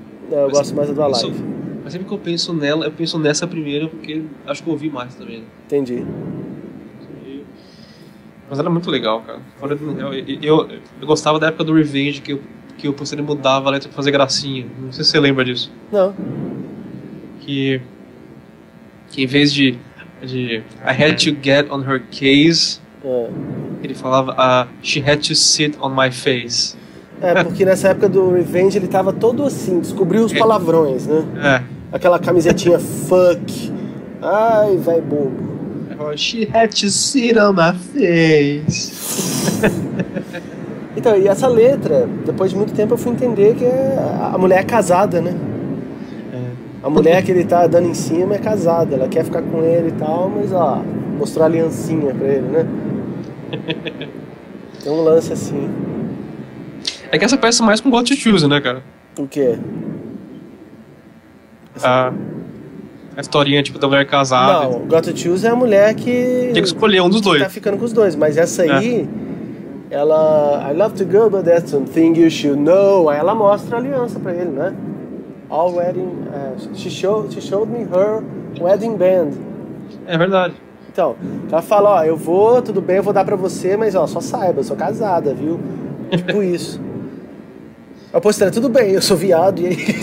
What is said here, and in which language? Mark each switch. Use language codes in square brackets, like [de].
[pt] Não, eu gosto mais da do Alive. Mas sempre que eu penso nela, eu penso nessa primeira, porque acho que eu ouvi mais também. Entendi. Mas era muito legal, cara. Fora do, eu gostava da época do Revenge, que o postei mudava a letra pra fazer gracinha. Não sei se você lembra disso. Não. Que em vez de [en] I had to get on her case, [pt] ele falava [en] she had to sit on my face. [pt] É, porque nessa época do Revenge ele tava todo assim, descobriu os palavrões, né? É. Aquela camisetinha fuck. Ai, vai bobo. [en] She had to sit on my face. [pt] Então, e essa letra, depois de muito tempo eu fui entender que a mulher é casada, né? A mulher que ele tá dando em cima é casada, ela quer ficar com ele e tal, mas ó, mostrou a aliancinha pra ele, né? Tem um lance assim. É que essa peça mais com Got to Choose, né, cara? O quê? A historinha, tipo, da mulher casada. Não, Got to Choose é a mulher que... Tem que escolher um dos dois. Tá ficando com os dois, mas essa aí... É. Ela... [en] I love to go, but that's something you should know. [pt] Aí ela mostra a aliança pra ele, né? [en] All wedding... She showed me her wedding band. [pt] É verdade. Então, ela fala, ó, eu vou, tudo bem, eu vou dar pra você, mas ó, só saiba, eu sou casada, viu? Tipo isso. A postura, tudo bem, eu sou viado, e aí?